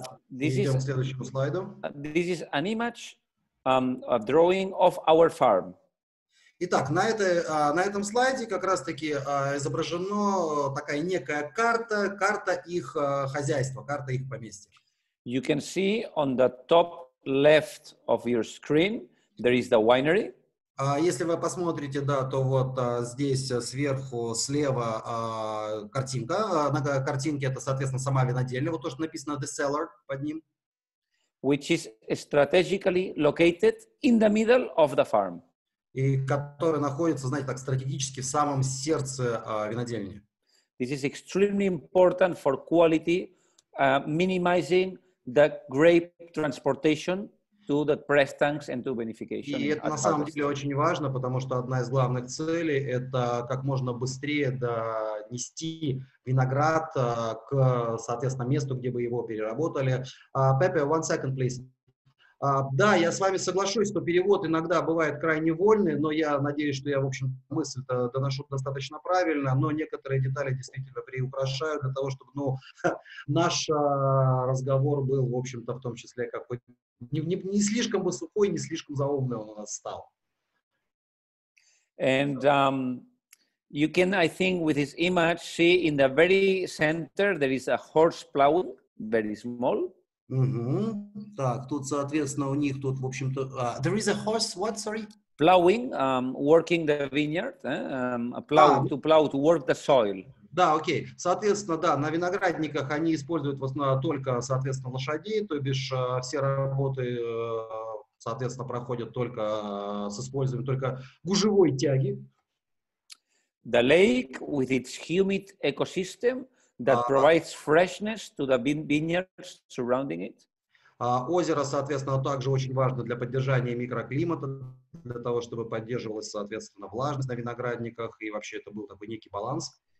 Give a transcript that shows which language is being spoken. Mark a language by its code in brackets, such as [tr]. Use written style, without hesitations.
[en] This is an image, a drawing of our farm. [ru] Итак, на этом слайде как раз-таки изображено такая некая карта их хозяйства, карта их поместья. [en] You can see on the top left of your screen there is the winery. [ru] Если вы посмотрите, да, то вот здесь сверху слева картинка. На картинке это, соответственно, сама винодельня, вот то, что написано «The cellar» под ним. [en] Which is strategically located in the middle of the farm. [ru] И который находится, знаете, так стратегически в самом сердце винодельни. [en] This is extremely important for quality, minimizing the grape transportation to the press tanks and to vinification. [ru] И это на самом деле очень важно, потому что одна из главных целей – это как можно быстрее донести виноград к, соответственно, месту, где бы его переработали. [en] Пепе, one second, please. [ru] Да, я с вами соглашусь, что перевод иногда бывает крайне вольный, но я надеюсь, что я, в общем, мысль-то доношу достаточно правильно, но некоторые детали действительно приукрашаю для того, чтобы, ну, наш разговор был, в общем-то, в том числе какой-то не слишком бы сухой, не слишком заумный он у нас стал. [en] And you can, I think, with this image see in the very center there is a horse plowing, very small. [ru] Так, тут, соответственно, у них тут, в общем-то... [en] there is a horse, what, sorry? Plowing, working the vineyard, plow, to plow, to work the soil. [ru] Да, окей. Соответственно, да, на виноградниках они используют в основном только, соответственно, лошадей, то бишь все работы, соответственно, проходят только с использованием только гужевой тяги. [en] The lake with its humid ecosystem that provides freshness to the vineyards surrounding it. [ru] Озеро, соответственно, также очень важно для поддержания микроклимата, для того, чтобы поддерживалась, соответственно, влажность на виноградниках, и вообще это был такой некий баланс.